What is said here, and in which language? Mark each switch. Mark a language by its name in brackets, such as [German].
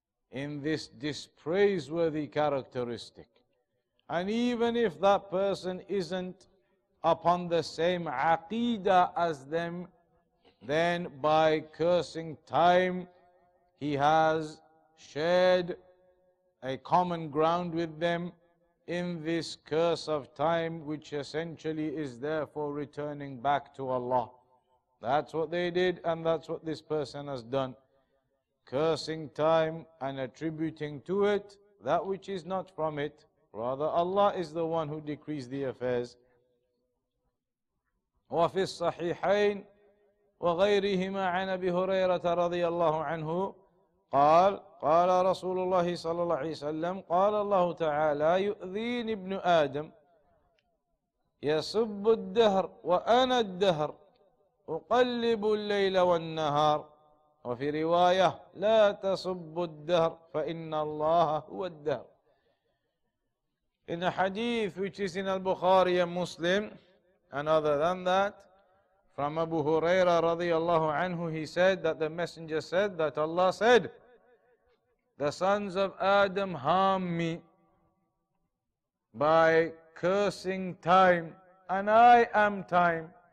[English] In this dispraiseworthy characteristic. And even if that person isn't upon the same aqeedah as them, then by cursing time, he has shared a common ground with them in this curse of time, which essentially is therefore returning back to Allah. That's what they did, and that's what this person has done. Cursing time and attributing to it that which is not from it. Rather, Allah is the one who decrees the affairs. [Arabic] وَفِي الصَّحِيحَيْنِ وَغَيْرِهِمَا عَنْ أَبِي هُرَيْرَةَ رَضِيَ اللَّهُ عَنْهُ قال قال رسول الله صلى الله عليه وسلم قال الله تعالى يؤذيني ابن آدم يسب الدهر وأنا الدهر أقلب الليل والنهار. وفي رواية لا تسب الدهر فإن الله هو الدهر. [English] In a hadith which is in al-Bukhari and Muslim, and other than that, from Abu Huraira radiallahu anhu, he said that the messenger said that Allah said, the sons of Adam harm me by cursing time, and I am time.